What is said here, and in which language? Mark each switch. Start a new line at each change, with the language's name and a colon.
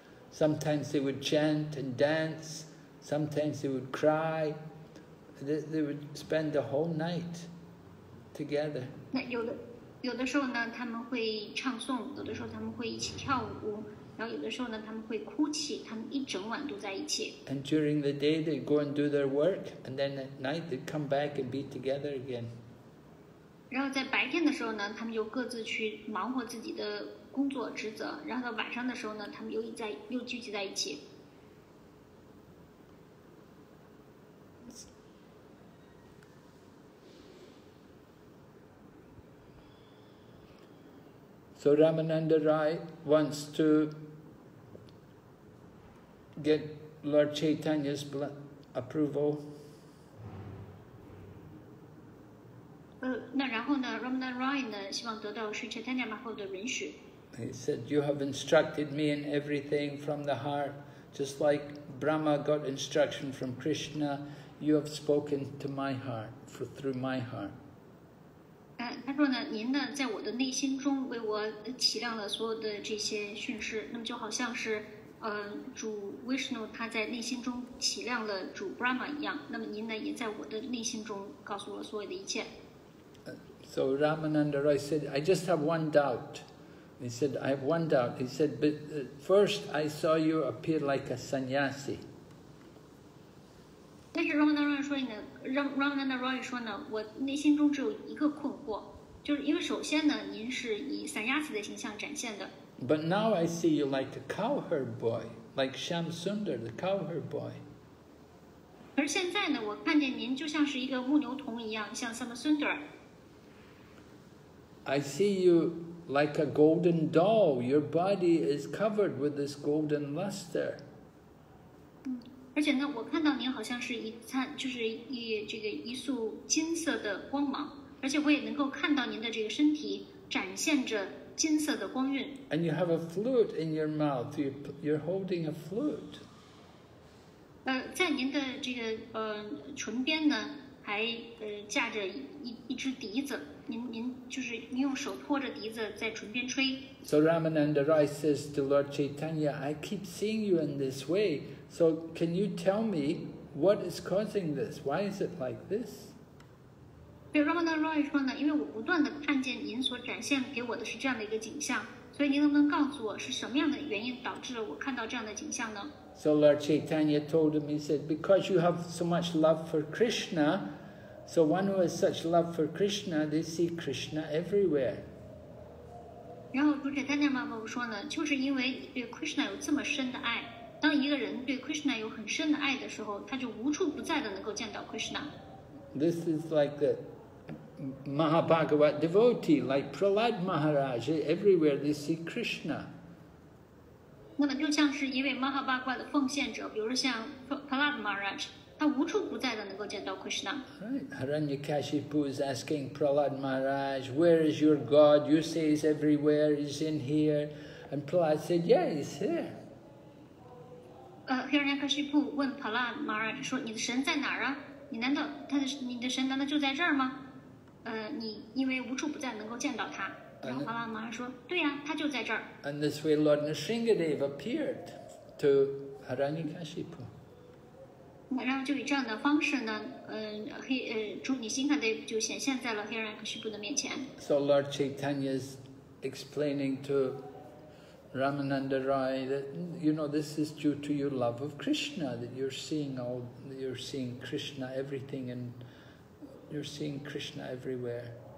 English: Sometimes they would chant and dance, sometimes they would cry, they would spend the whole night together.
Chinese: 那有的时候呢，他们会唱诵，有的时候他们会一起跳舞，然后有的时候呢，他们会哭泣，他们一整晚都在一起。
English: And during the day they'd go and do their work, and then at night they'd come back and be together again.
Chinese: 然后在白天的时候呢，他们就各自去忙活自己的工作职责，然后到晚上的时候呢，他们又聚集在一起。
English: So Ramananda Rai wants to get Lord Chaitanya's approval.
Chinese: 那然后呢 ，Ramananda Rai 呢，希望得到 Sri Chaitanya Mahaprabhu 的允许。
English: He said, you have instructed me in everything from the heart, just like Brahma got instruction from Krishna, you have spoken to my heart, through my heart.
Chinese: 他说呢，您呢，在我的内心中为我起亮了所有的这些讯示，那么就好像是主 Vishnu 他在内心中起亮了主 Brahma 一样，那么您呢，也在我的内心中告诉我所有的一切。
English: So Ramananda Rai said, I just have one doubt. He said, I have one doubt. He said, but first I saw you appear like a sannyasi. But Ramananda Roy said,
Chinese: 我内心中只有一个困惑，就是因为首先呢，您是以 sannyasi 的形象展现的。
English: But now I see you like a cowherd boy, like Shamsundar, the cowherd boy.
Chinese: 而现在呢，我看见您就像是一个牧牛童一样，像 Shamsundar.
English: I see you. Like a golden doll, your body is covered with this golden luster.
Chinese: 而且呢，我看到您好像是一束金色的光芒。而且我也能够看到您的这个身体展现着金色的光晕。
English: And you have a flute in your mouth. You're holding a flute.
Chinese: 在您的这个唇边呢，还架着一支笛子。您用手托着笛子在唇边吹。
English: So Ramananda Rai says to Lord Chaitanya, I keep seeing you in this way. So can you tell me what is causing this? Why is it like this?
Chinese: 对 Ramananda Rai 说呢，因为我不断的看见您所展现给我的是这样的一个景象，所以您能不能告诉我是什么样的原因导致我看到这样的景象呢？
English: So Lord Chaitanya told him, he said, because you have so much love for Krishna,So one who has such love for Krishna, they see Krishna everywhere.
Chinese: 然后主持人妈妈说呢，就是因为对 Krishna 有这么深的爱，当一个人对 Krishna 有很深的爱的时候，他就无处不在的能够见到 Krishna.
English: This is like the Mahabhagavat devotee, like Prahlad Maharaj, everywhere they see Krishna.
Chinese: 那么就像是一位 Mahabhagavat 的奉献者，比如像 Prahlad Maharaj. 他无处不在的能够见到 Krishna.
English: Right, Haranyakashipu is asking Prahlad Maharaj, "Where is your God? You say he's everywhere. He's in here." And Prahlad said, "Yeah, he's here."
Chinese: Haranyakashipu 问 Prahlad Maharaj 说：“你的神在哪儿啊？你的神难道就在这儿吗？你因为无处不在能够见到他。” 然后 Prahlad Maharaj 说：“对呀，他就在这儿。”
English: And this way, Lord Nrisingadeva appeared to Haranyakashipu.
Chinese: 然后就以这样的方式呢，主女心看的就显现在了黑人和须布的面前。
English: So Lord Chaitanya is explaining to Ramananda Rai that you know this is due to your love of Krishna that you're seeing Krishna everything and you're seeing Krishna everywhere.